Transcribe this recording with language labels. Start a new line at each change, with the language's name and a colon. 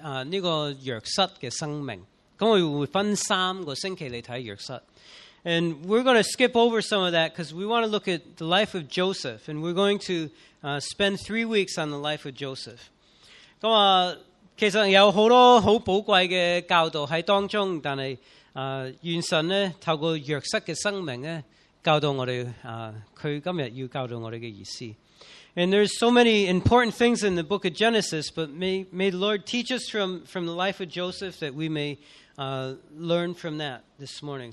Chinese: 这个约瑟的生命，那我会分三个星期来看约瑟。
English: And we're going to skip over some of that because we want to look at the life of Joseph, and we're going to spend 3 weeks on the life of Joseph.
Chinese: 其实有很多很宝贵的教导在当中，但是愿神呢透过约瑟的生命呢教导我们他今天要教导我们的意思。
English: And there's so many important things in the book of Genesis, but may the Lord teach us from the life of Joseph that we may learn from that this morning.